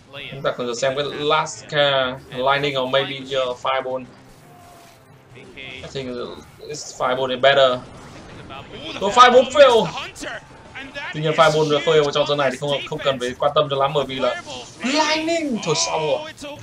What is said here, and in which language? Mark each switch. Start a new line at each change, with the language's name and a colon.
Vietnamese: Chúng ta còn chờ xem cái last card
English: Lightning or maybe Fireball. I think this Fireball is better.
Vietnamese: Có Fireball fail. Tuy nhiên Fireball được fail trong giờ này thì không cần phải quan tâm cho lắm bởi vì là Lightning thôi xong rồi.